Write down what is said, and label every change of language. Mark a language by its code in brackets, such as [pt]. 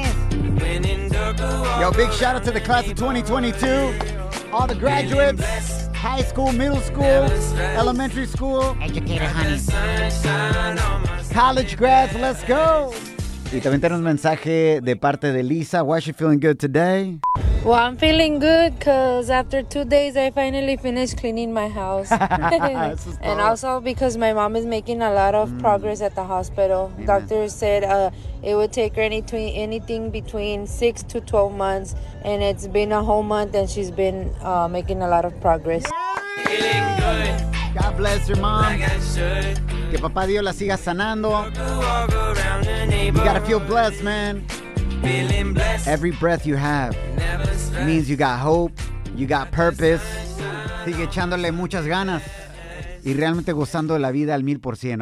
[en] Yo, big shout out to the class of 2022, all the graduates, high school, middle school, elementary school, educator, honey, college grads, let's go. [es] Y también tenemos mensaje de parte de Lisa. [en] Why is she feeling good today? Well, I'm feeling good because after 2 days, I finally finished cleaning my house. And also because my mom is making a lot of progress at the hospital. Amen. Doctors said it would take her anything between 6 to 12 months. And it's been a whole month and she's been making a lot of progress. Yeah. Feeling good. God bless your mom. Like I should. [es] Que papá Dios la siga sanando. [en] Walk around the neighborhood. You gotta feel blessed, man. Feeling blessed. Every breath you have. It means you got hope, you got purpose. [es] Sigue echándole muchas ganas y realmente gozando de la vida al 1000%.